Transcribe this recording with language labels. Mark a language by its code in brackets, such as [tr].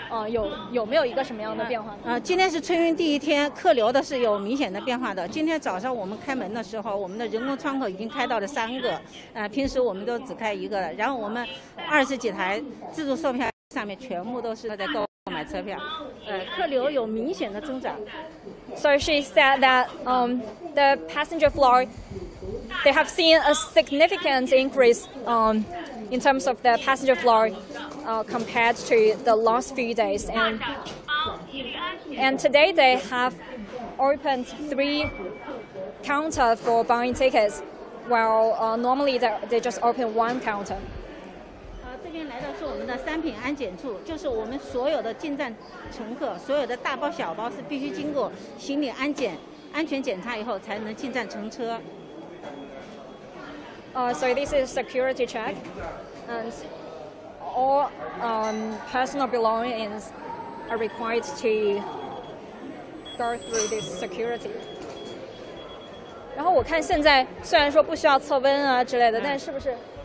[zh] 有没有一个什么样的变化？今天是春运第一天，客流的是有明显的变化的。今天早上我们开门的时候，我们的人工窗口已经开到了三个，平时我们都只开一个了。然后我们二十几台自助售票上面全部都是在购买车票，客流有明显的增长。So [en] she said that the passenger flow, they have seen a significant increase in terms of the passenger flow compared to the last few days. And today they have opened 3 counters for buying tickets, while normally they just open 1 counter. [zh] 这边来到是我们的商品安检处，就是我们所有的进站乘客，所有的大包小包是必须经过行李安检、安全检查以后才能进站乘车。 [en] So this is security check, and all personal belongings are required to go through this security. [zh] 然后我看现在虽然说不需要测温啊之类的，但是不是？